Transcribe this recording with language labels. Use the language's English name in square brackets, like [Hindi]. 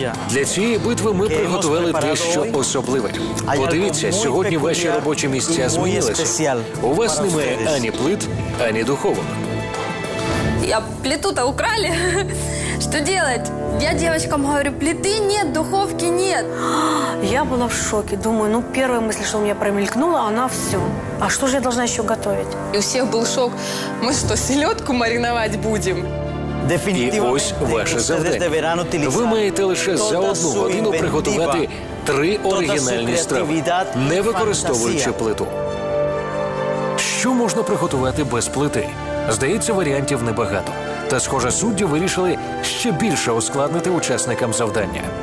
[Ukrainian] Для цієї битви ми приготували дещо особливе. Подивіться, сьогодні ваші робочі місця змінилися. У вас немає ані плит, ані духовок. [Russian] Я плиту-то украли. Что делать? Я девочкам говорю, плиты нет, духовки нет. Я была в шоке. Думаю, ну первая мысль, что у меня промелькнула, она все. А что же я должна еще готовить? И у всех был шок. Мы что, селедку мариновать будем? [Ukrainian] І ось ваше завдання. Ви маєте лише за одну годину приготувати три оригінальні страви, не використовуючи плиту. Що можна приготувати без плити? Здається, варіантів небагато. Та, схоже, судді вирішили ще більше ускладнити учасникам завдання.